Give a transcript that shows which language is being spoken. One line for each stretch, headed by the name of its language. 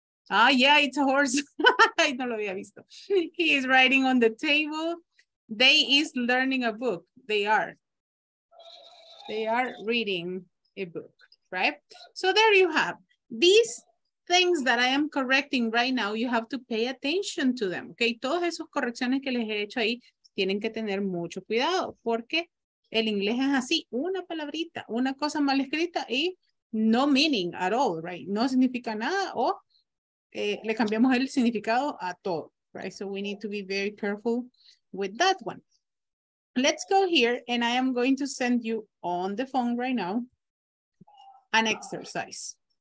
English: Ah, yeah, it's a horse. I
Spanish: no lo había visto.
English: He is writing on the table. They is learning a book. They are reading a book, right? So there you have. These things that I am correcting right now, you have to pay attention to them, okay?
Spanish: Todas esas correcciones que les he hecho ahí, tienen que tener mucho cuidado, porque el inglés es así, una palabrita, una cosa mal escrita y
English: no meaning at all,
Spanish: right? No significa nada o le cambiamos el significado a todo, right?
English: So we need to be very careful with that one. Let's go here, and I am going to send you on the phone right now an exercise.